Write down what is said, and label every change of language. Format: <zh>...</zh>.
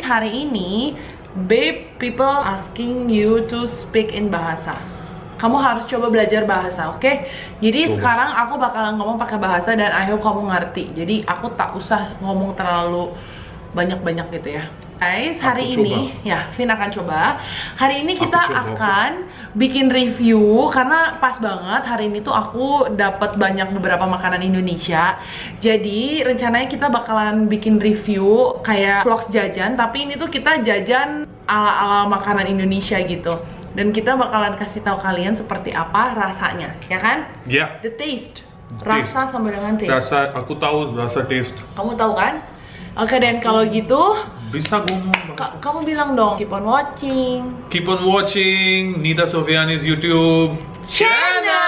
<id>Hari ini,</id> <en>babe, people asking you to speak in bahasa.</en> <id>Kamu harus coba belajar bahasa, oke? Okay? Jadi sekarang aku bakalan ngomong pakai bahasa dan</id> <en>I hope</en> <id>kamu ngerti. Jadi aku tak usah ngomong terlalu banyak-banyak gitu ya. Guys, hari ini, ya, Vin akan coba. Hari ini kita akan bikin review karena pas banget hari ini tuh aku dapat banyak beberapa makanan Indonesia. Jadi rencananya kita bakalan bikin review kayak vlogs jajan, tapi ini tuh kita jajan ala-ala makanan Indonesia gitu. Dan kita bakalan kasih tahu kalian seperti apa rasanya, ya kan? Iya. Yeah.</id> <en>The taste.</en> <id>Rasa sama dengan taste. Rasa, aku tahu rasa taste. Kamu tahu kan? Oke, dan kalau gitu bisa gua kamu bilang dong,</id> <en>keep on watching. Keep on watching Nita Sofiani's YouTube channel.</en>